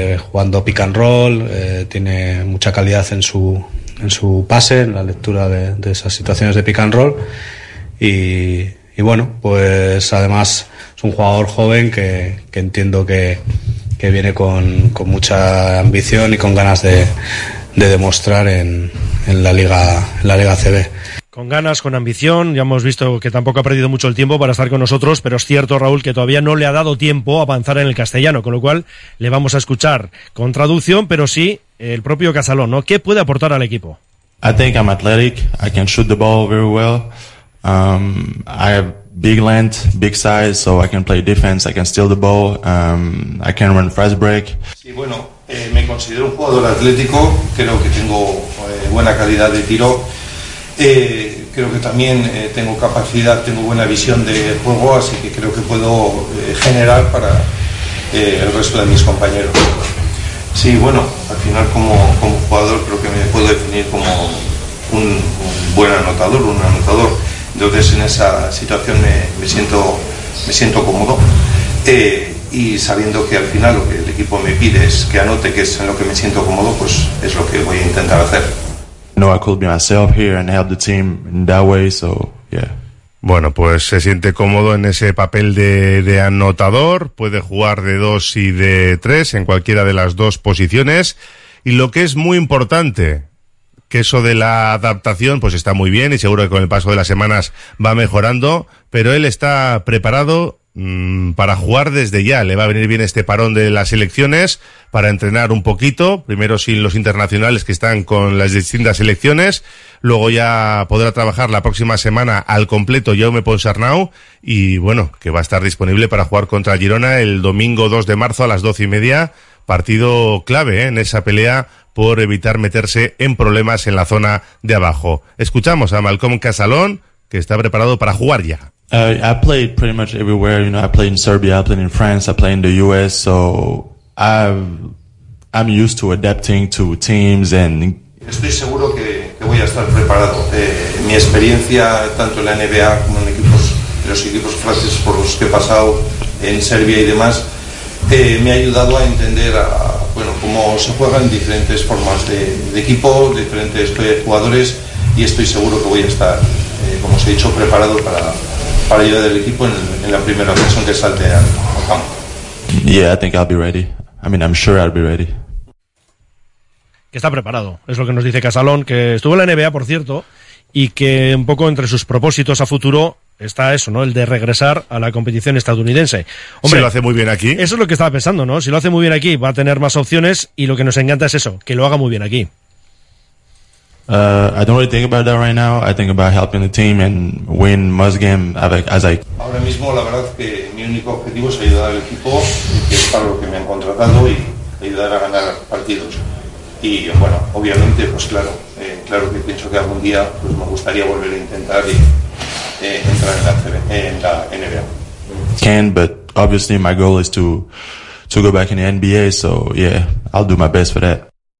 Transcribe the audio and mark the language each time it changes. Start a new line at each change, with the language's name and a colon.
Spanish: jugando pick and roll, tiene mucha calidad en su pase, en la lectura de esas situaciones de pick and roll, y bueno, pues además es un jugador joven que entiendo que viene con mucha ambición y con ganas de demostrar en la Liga CB. Con ganas, con ambición, ya hemos visto que tampoco ha perdido mucho el tiempo para estar con nosotros, pero es cierto, Raúl, que todavía no le ha dado tiempo a avanzar en el castellano, con lo cual le vamos a escuchar con traducción, pero sí el propio Casalón, ¿no? ¿Qué puede aportar al equipo?
English: I think I'm athletic, I can shoot the ball very well, I have big length, big size, so I can play defense, I can steal the ball, I can run fast break.
Spanish: Sí, bueno, me considero un jugador atlético, creo que tengo buena calidad de tiro. Creo que también tengo buena visión de juego, así que creo que puedo generar para el resto de mis compañeros. Sí, bueno, al final como jugador creo que me puedo definir como un buen anotador. Entonces en esa situación me siento cómodo, y sabiendo que al final lo que el equipo me pide es que anote, que es en lo que me siento cómodo, pues es lo que voy a intentar hacer.
English: No, I could be myself here and help the team in that way, so yeah.
Spanish: Bueno, pues se siente cómodo en ese papel de anotador, puede jugar de dos y de tres en cualquiera de las dos posiciones, y lo que es muy importante, que eso de la adaptación pues está muy bien y seguro que con el paso de las semanas va mejorando, pero él está preparado para jugar desde ya. Le va a venir bien este parón de las selecciones para entrenar un poquito, primero sin los internacionales que están con las distintas selecciones, luego ya podrá trabajar la próxima semana al completo Jaume Ponsarnau, y bueno, que va a estar disponible para jugar contra Girona el domingo 2 de marzo a las 12 y media, partido clave en esa pelea por evitar meterse en problemas en la zona de abajo. Escuchamos a Malcolm Casalón, que está preparado para jugar ya.
English: I played pretty much everywhere, you know, I played in Serbia, I played in France, I played in the US, so I'm used to adapting to teams and...
Spanish: Estoy seguro que voy a estar preparado. Mi experiencia, tanto en la NBA como en equipos de los equipos franceses por los que he pasado en Serbia y demás, me ha ayudado a entender cómo se juegan diferentes formas de equipo, diferentes jugadores, y estoy seguro que voy a estar, como os he dicho, preparado para ayudar al equipo en la primera ocasión que salte al campo.
English: Yeah, I think I'll be ready. I mean, I'm sure I'll be ready.
Spanish: Que está preparado, es lo que nos dice Casalón, que estuvo en la NBA, por cierto, y que un poco entre sus propósitos a futuro está eso, ¿no? El de regresar a la competición estadounidense. Hombre, si lo hace muy bien aquí. Eso es lo que estaba pensando, ¿no? Si lo hace muy bien aquí, va a tener más opciones, y lo que nos encanta es eso, que lo haga muy bien aquí.
English: I don't really think about that right now. I think about helping the team and win most game as I.
Spanish: Ahora mismo, la verdad que mi único objetivo es ayudar al equipo, que es para lo que me han contratado, y ayudar a ganar partidos. Y bueno, obviamente, pues claro, claro que pienso que algún día, pues me gustaría volver a intentar y entrar en la NBA.
English: Can, but obviously my goal is to go back in the NBA. So yeah, I'll do my best for that.